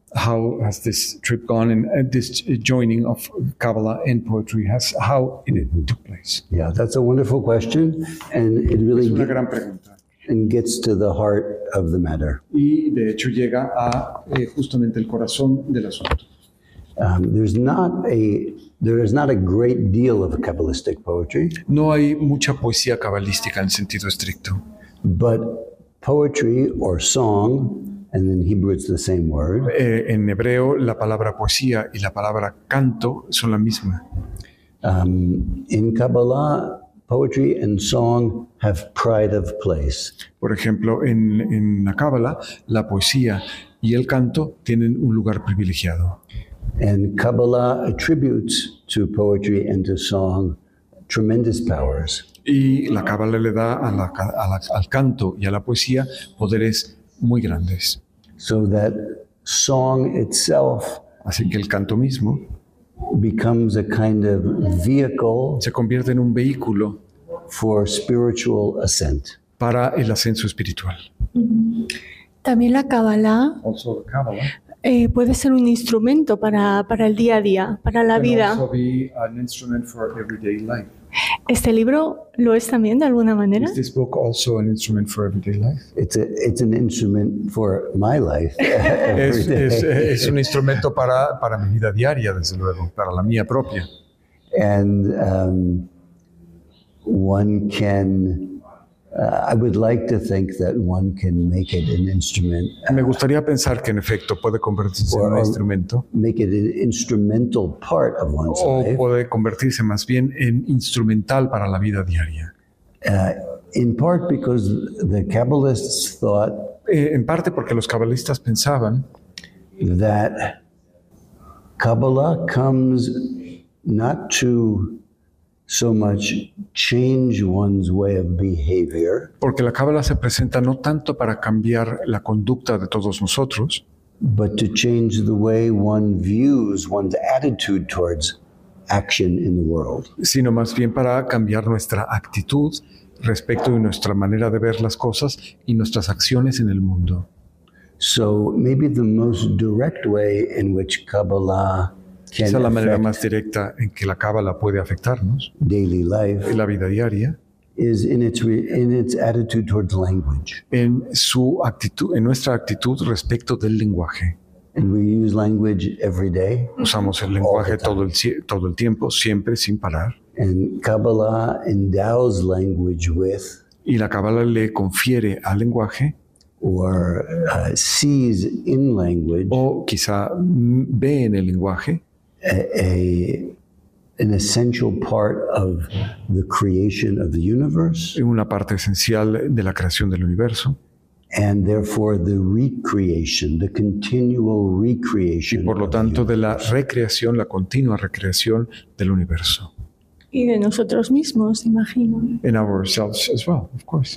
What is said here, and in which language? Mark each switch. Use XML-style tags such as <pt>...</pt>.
<en>How has this trip gone and this joining of Kabbalah and poetry has how it took place? Yeah, that's a wonderful question, and it really gets to the heart of the matter.</en> <es>Y de hecho llega a justamente el corazón del asunto.</es> <en>There is not a great deal of Kabbalistic poetry.</en> <es>No hay mucha poesía cabalística en sentido estricto.</es> <en>But poetry or song, and in Hebrew it's the same word.</en> <es>En hebreo la palabra poesía y la palabra canto son la misma.</es> <en>In Kabbalah, poetry and song have pride of place.</en> <es>Por ejemplo, en la Kabbalah, la poesía y el canto tienen un lugar privilegiado.</es> <en>And Kabbalah attributes to poetry and to song tremendous powers.</en> <es>Y la Kabbalah le da al canto y a la poesía poderes muy grandes.</es> <en>So that song itself,</en> <es>así que el canto mismo,</es> <en>becomes a kind of vehicle,</en> <es>se convierte en un vehículo,</es> <en>for spiritual ascent,</en> <es>para el ascenso espiritual. También la Kabbalah,</es> <en>also the Kabbalah,</en> <es>puede ser un instrumento para el día a día, para la vida.</es> <en>Can also be an instrument for everyday life.</en> <es>¿Este libro lo es también de alguna manera?</es> <en>Is this book also an instrument for everyday life? It's an instrument for my life.</en> <es>es un instrumento para mi vida diaria, desde luego, para la mía propia.</es> <en>And one can, I would like to think that one can make it an instrument.</en> <es>Me gustaría pensar que en efecto puede convertirse en un instrumento.</es> <en>Make it an instrumental part of one's</en> <es>o</es> <en>life.</en> <es>O puede convertirse más bien en instrumental para la vida diaria.</es> <en>In part because the Kabbalists thought.</en> <es>En parte porque los cabalistas pensaban</es> <en>that Kabbalah comes not to so much change one's way of behavior.</en> <es>Porque la cábala se presenta no tanto para cambiar la conducta de todos nosotros,</es> <en>but to change the way one views one's attitude towards action in the world.</en> <es>Sino más bien para cambiar nuestra actitud respecto de nuestra manera de ver las cosas y nuestras acciones en el mundo.</es> <en>So maybe the most direct way in which Kabbalah,</en> <es>quizá la manera más directa en que la cábala puede afectarnos</es> <en>daily life,</en> <es>en la vida diaria,</es> <en>is in its attitude towards language.</en> <es>En su actitud, en nuestra actitud respecto del lenguaje.</es> <en>We use language every day.</en> <es>Usamos el lenguaje todo el tiempo, siempre, sin parar.</es> <en>And Kabbalah endows language with.</en> <es>Y la Kabbalah le confiere al lenguaje.</es> <en>Or sees in language.</en> <es>O quizá ve en el lenguaje.</es> <en>An essential part of the creation of the universe.</en> <es>Una parte esencial de la creación del universo.</es> <en>And therefore the recreation, the continual recreation.</en> <es>Y por lo tanto de la recreación, la continua recreación del universo. Y de nosotros mismos, imagino.</es> <en>In ourselves as well, of course.</en>